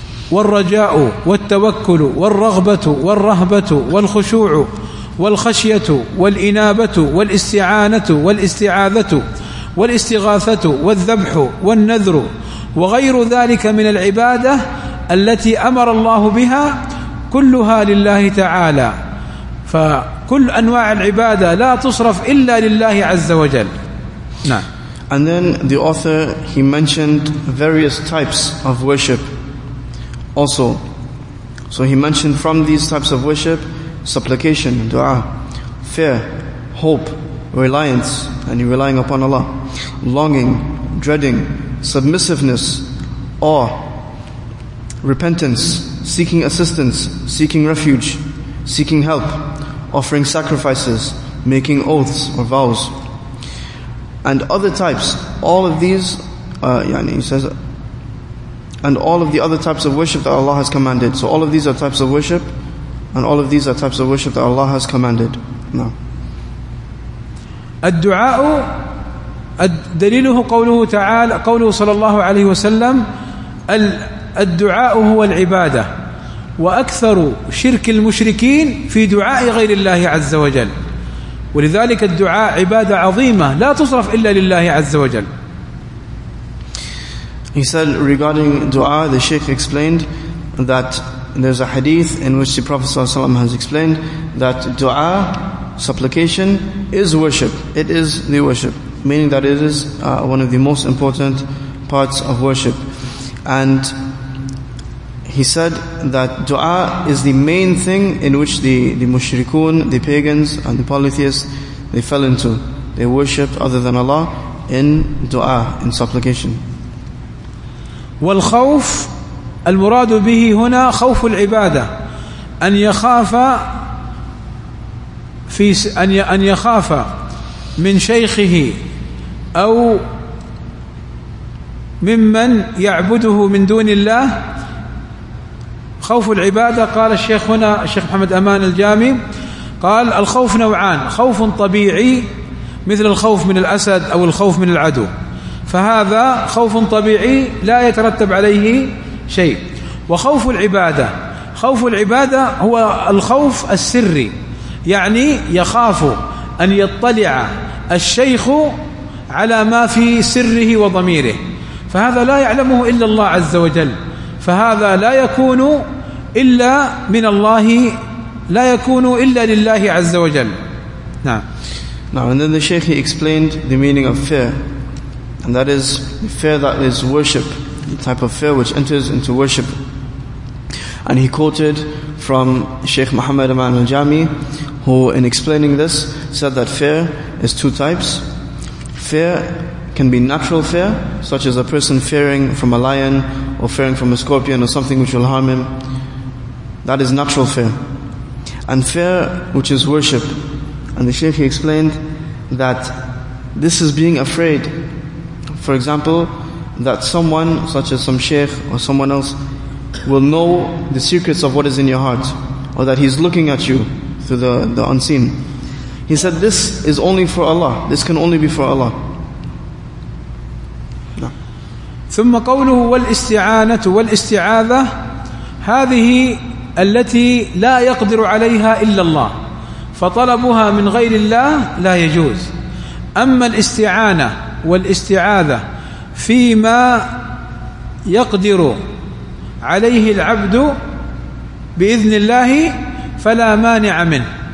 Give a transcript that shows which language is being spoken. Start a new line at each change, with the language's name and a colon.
Arabic: والرجاء والتوكل والرغبة والرهبة والخشوع والخشية والإنابة والاستعانة والاستعاذة والاستغاثة والذبح والنذر وغير ذلك من العبادة التي أمر الله بها كلها لله تعالى. فكل أنواع العبادة لا تصرف إلا لله عز وجل. نعم.
English: And then the author, he mentioned various types of worship also. So he mentioned from these types of worship supplication, dua, fear, hope, reliance, and relying upon Allah, longing, dreading, submissiveness, awe, repentance, seeking assistance, seeking refuge, seeking help, offering sacrifices, making oaths or vows, and other types. All of these, he says, and all of the other types of worship that Allah has commanded. So all of these are types of worship, and all of these are types of worship that Allah has commanded. Now,
Arabic: الدعاء دليله قوله تعالى قوله صلى الله عليه وسلم الدعاء هو العبادة وأكثر شرك المشركين في دعاء غير الله عز وجل ولذلك الدعاء عبادة عظيمة لا تصرف إلا لله عز وجل.
English: He said regarding dua, the Shaykh explained that there's a hadith in which the Prophet ﷺ has explained that dua, supplication, is worship. It is the worship, meaning that it is one of the most important parts of worship. And he said that dua is the main thing in which the mushrikun, the pagans and the polytheists, they fell into. They worshipped other than Allah in dua, in supplication.
Arabic: والخوف المراد به هنا خوف العبادة أن يخاف في أن يخاف من شيخه أو ممن يعبده من دون الله. خوف العبادة قال الشيخ هنا الشيخ محمد أمان الجامي قال الخوف نوعان: خوف طبيعي مثل الخوف من الأسد أو الخوف من العدو، فهذا خوف طبيعي لا يترتب عليه شيء. وخوف العبادة، خوف العبادة هو الخوف السري، يعني يخاف أن يطلع الشيخ على ما في سره وضميره، فهذا لا يعلمه إلا الله عز وجل، فهذا لا يكون إلا من الله، لا يكون إلا لله عز وجل. نعم.
English: Now and then the Shaykh, he explained the meaning of fear, and that is fear that is worship, the type of fear which enters into worship. And he quoted from Shaykh Muhammad Aman al-Jami, who in explaining this said that fear is two types. Fear can be natural fear, such as a person fearing from a lion or fearing from a scorpion or something which will harm him. That is natural fear. And fear which is worship. And the Shaykh, he explained that this is being afraid, for example, that someone such as some Shaykh or someone else will know the secrets of what is in your heart, or that he's looking at you through the unseen. He said this is only for Allah. This can only be for Allah.
Arabic: ثم قوله والاستعانة والاستعاذة هذه التي لا يقدر عليها إلا الله، فطلبها من غير الله لا يجوز. أما الاستعانة والاستعاذة فيما يقدر عليه العبد بإذن الله فلا مانع منه.